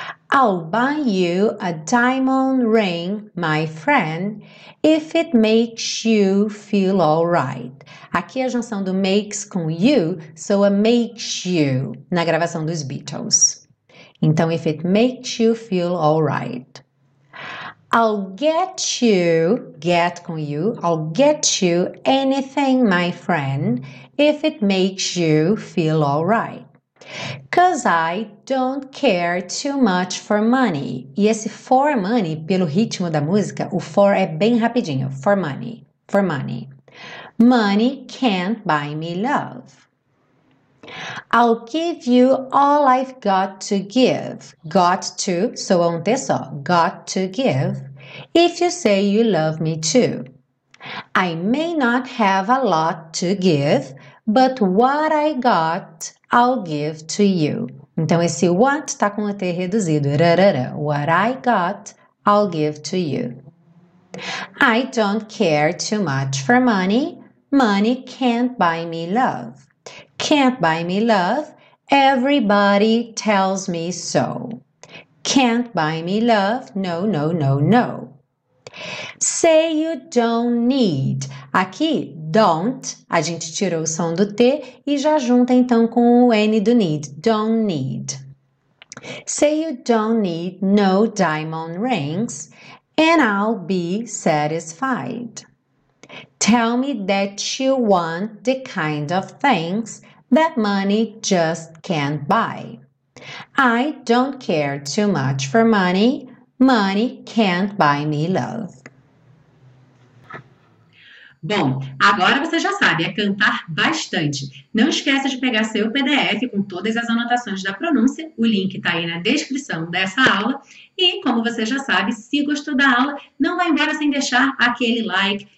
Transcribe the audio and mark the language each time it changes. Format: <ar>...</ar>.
<en>I'll buy you a diamond ring, my friend, if it makes you feel all right.</en> <pt>Aqui a junção do makes com you soa makes you na gravação dos Beatles. Então, if it makes you feel all right. I'll get you, get com you, I'll get you anything, my friend, if it makes you feel all right.</pt> <en>'Cause I don't care too much for money.</en> <pt>E esse for money, pelo ritmo da música, o for é bem rapidinho.</pt> <en>For money, for money. Money can't buy me love. I'll give you all I've got to give. Got to,</en> <pt>soa um T só.</pt> <en>Got to give. If you say you love me too. I may not have a lot to give, but what I got, I'll give to you.</en> <pt>Então, esse what está com o T reduzido. Rarara.</pt> <en>What I got, I'll give to you. I don't care too much for money. Money can't buy me love. Can't buy me love. Everybody tells me so. Can't buy me love. No, no, no, no. Say you don't need.</en> <pt>Aqui, don't, a gente tirou o som do T e já junta então com o N do need.</pt> <en>Don't need. Say you don't need no diamond rings and I'll be satisfied. Tell me that you want the kind of things that money just can't buy. I don't care too much for money. Money can't buy me love.</en> <pt>Bom, agora você já sabe, é cantar bastante. Não esqueça de pegar seu PDF com todas as anotações da pronúncia. O link está aí na descrição dessa aula. E, como você já sabe, se gostou da aula, não vai embora sem deixar aquele like.</pt>